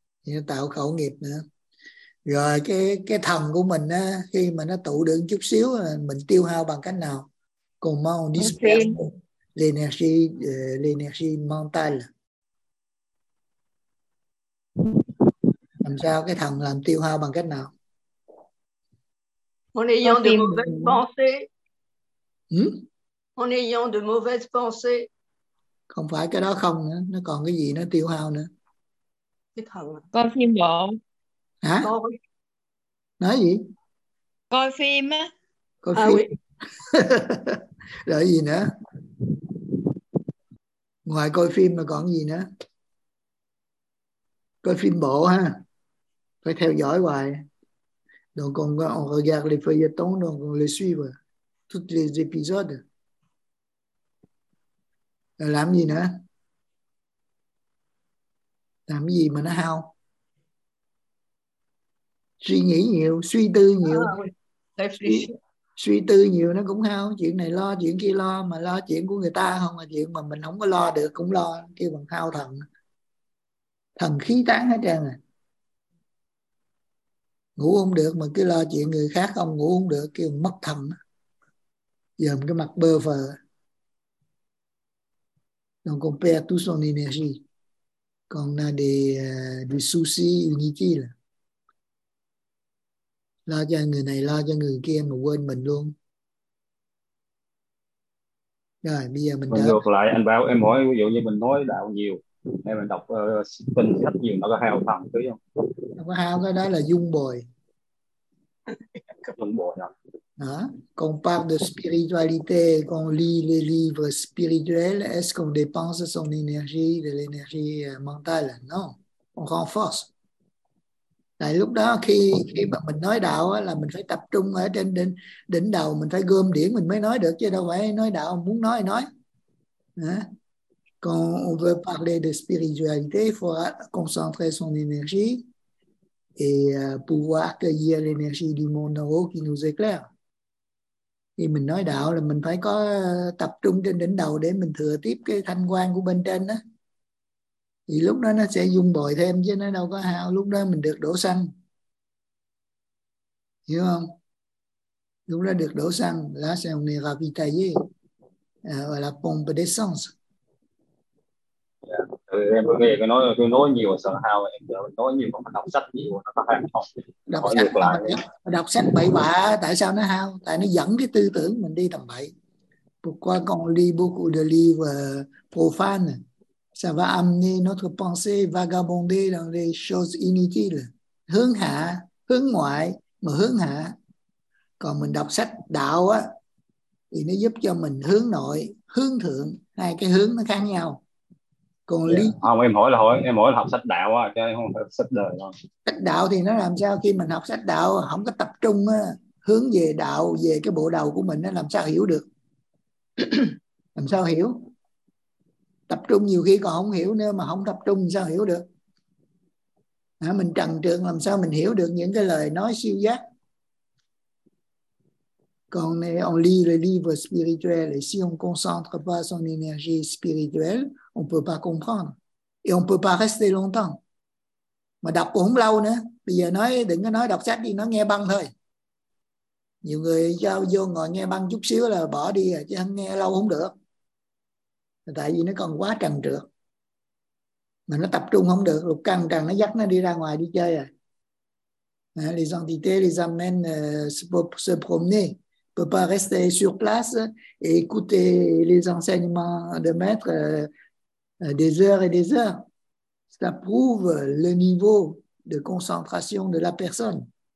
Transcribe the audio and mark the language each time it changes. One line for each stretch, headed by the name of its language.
Vietnamese: Thì nó tạo khẩu nghiệp nữa. Rồi cái thần của mình á, khi mà nó tụ được chút xíu mình tiêu hao bằng cách nào?
French: Comment on disperse l'énergie mentale?
Vietnamese: Làm sao cái thần làm tiêu hao bằng cách nào?
French: En ayant de mauvaises pensées. Hmm? En ayant de mauvaises pensées.
Vietnamese: Không phải cái đó không nữa, nó còn cái gì nó tiêu hao nữa. Cái thần. Con phim lộn. Hả? Nói gì? Coi phim á. Coi phim. Oui. Rồi gì nữa? Ngoài coi phim mà còn gì nữa? Coi phim bộ ha. Phải theo dõi hoài.
French: Donc on regarde les feuilletons, donc on les suit. Toutes les épisodes.
Vietnamese: Rồi làm gì nữa? Làm gì mà nó hao? Suy nghĩ nhiều, suy tư nhiều. Suy tư nhiều nó cũng hao. Chuyện này lo, chuyện kia lo. Mà lo chuyện của người ta không, mà chuyện mà mình không có lo được cũng lo, kêu bằng hao thần. thần khí tán hết trơn à. Ngủ không được mà cứ lo chuyện người khác, ông ngủ không được kêu mất thần, dòm cái mặt bơ phờ.
French: Donc on perd toute son énergie quand on a des soucis inutiles.
Vietnamese: Lo cho người này, lo cho người kia mà quên mình luôn. Rồi, bây giờ mình đã... Ngược lại, anh Bảo, em hỏi, ví dụ như mình nói đạo nhiều, hay mình đọc kinh sách nhiều, nó có hao thần chứ không? Không có hao, cái đó là dung bồi. Dung bồi đó.
French: Quand on parle de spiritualité, quand on lit les livres spirituels, est-ce qu'on dépense son énergie, de l'énergie mentale? Non, on renforce.
Vietnamese: Tại lúc đó khi mà mình nói đạo là mình phải tập trung ở trên đỉnh đầu, mình phải gom điển mình mới nói được, chứ đâu phải nói đạo muốn nói thì nói.
French: Quand on veut parler de spiritualité, il faut concentrer son énergie et pouvoir cueillir l'énergie du monde en haut qui nous éclaire.
Vietnamese: Khi mình nói đạo là mình phải có tập trung trên đỉnh đầu để mình thừa tiếp cái thanh quang của bên trên đó. Thì lúc đó nó sẽ dung bồi thêm chứ nó đâu có hao, lúc đó mình được đổ xăng. Hiểu không? Lúc đó được đổ xăng, là sẽ
French: on est ravitaillé, à, la pompe d'essence. Yeah.
Vietnamese: Em có nghe tôi nói nhiều sợ hao, em nói nhiều mà đọc sách nhiều nó có hao không? Đọc sách, đọc sách bậy bạ, tại sao nó hao? Tại nó dẫn cái tư tưởng mình đi tầm bậy.
French: Pourquoi qu'on lit beaucoup de livres profanes? Ça va amener notre pensée vagabonder dans des choses inutiles.
Vietnamese: Hướng hạ, hướng ngoại, mà hướng hạ. Còn mình đọc sách đạo á, thì nó giúp cho mình hướng nội, hướng thượng. Hai cái hướng nó khác nhau. Còn lý... Không, em hỏi là học sách đạo á, chứ không phải sách đời đâu. Sách đạo thì nó làm sao? Khi mình học sách đạo, không có tập trung á, hướng về đạo, về cái bộ đầu của mình, nó làm sao hiểu được? Làm sao hiểu? Tập trung nhiều khi còn không hiểu nữa, mà không tập trung sao hiểu được. Mình trần trượt làm sao mình hiểu được những cái lời nói siêu giác.
French: Còn on lit le livre spirituel, et si on concentre pas son énergie spirituelle, on peut pas comprendre. Et on peut pas rester longtemps.
Vietnamese: Mà đọc cũng không lâu nữa. Bây giờ nói, đừng có nói đọc sách đi, nói nghe băng thôi. Nhiều người giao vô ngồi nghe băng chút xíu là bỏ đi, chứ không nghe lâu không được. Tại vì nó còn quá trần trượt. Mà nó tập trung không được. Lục căng trần nó dắt nó đi ra ngoài đi chơi à.
French: Les entités les amènent se promener. On ne peut pas rester sur place et écouter les enseignements de maître des heures et des heures. Ça prouve le niveau de concentration de la personne.